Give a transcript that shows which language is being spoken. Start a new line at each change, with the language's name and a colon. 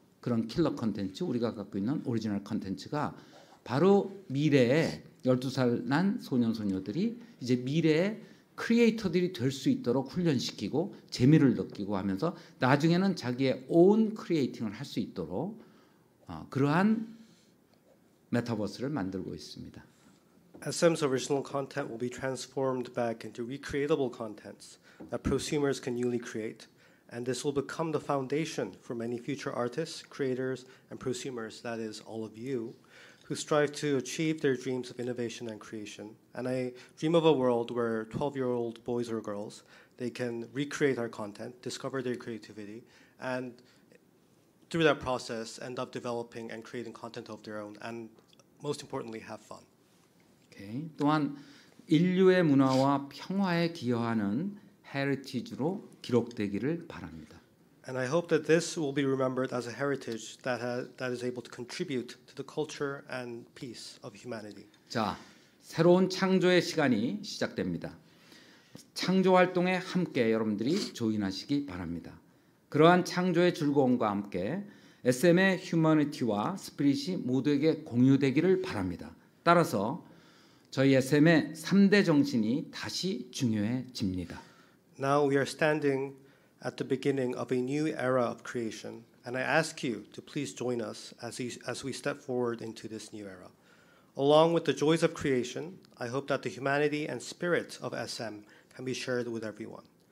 Korean: 그런 킬러 콘텐츠, 우리가 갖고 있는 오리지널 콘텐츠가 바로 미래의 12살 난 소년 소녀들이 이제 미래의 크리에이터들이 될 수 있도록 훈련시키고 재미를 느끼고 하면서 나중에는 자기의 own 크리에이팅을 할 수 있도록 그러한 메타버스를 만들고 있습니다.
English: SM's original content will be transformed back into recreatable contents that prosumers can newly create, and this will become the foundation for many future artists, creators, and prosumers, that is, all of you, who strive to achieve their dreams of innovation and creation. And I dream of a world where 12-year-old boys or girls, they can recreate our content, discover their creativity, and through that process, end up developing and creating content of their own, and most importantly, have fun. Okay.
Korean: 또한 인류의 문화와 평화에 기여하는 헤리티지로 기록되기를 바랍니다.
English: And I hope that this will be remembered as a heritage that has, that is able to contribute to the culture and peace of humanity.
Korean: 자, 새로운 창조의 시간이 시작됩니다. 창조 활동에 함께 여러분들이 조인하시기 바랍니다. 그러한 창조의 즐거움과 함께 SM의 휴머니티와 스피릿이 모두에게 공유되기를 바랍니다. 따라서 저희 SM의 3대 정신이 다시 중요해집니다.
English: Now we are standing at the beginning of a new era of creation, and I ask you to please join us as we step forward into this new era. Along with the joys of creation, I hope that the humanity and spirit of SM can be shared with everyone.